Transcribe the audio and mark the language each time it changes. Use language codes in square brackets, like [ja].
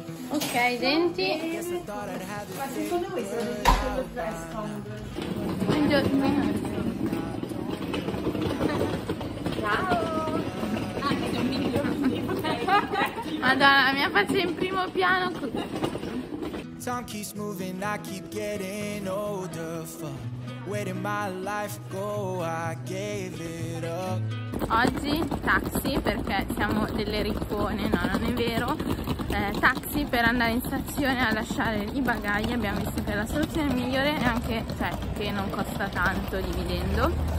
[it] Ok, denti. Ma secondo voi sarebbe quello fresco? Buongiorno. Ciao! Ah, che Madonna, la mia faccia in primo piano. [en] Time keeps moving, I keep getting older. Where did my life go? I gave it up. [it] Oggi taxi perché siamo delle riccone, no, non è vero. Taxi per andare in stazione a lasciare i bagagli. Abbiamo visto che la soluzione migliore è anche, cioè, che non costa tanto dividendo.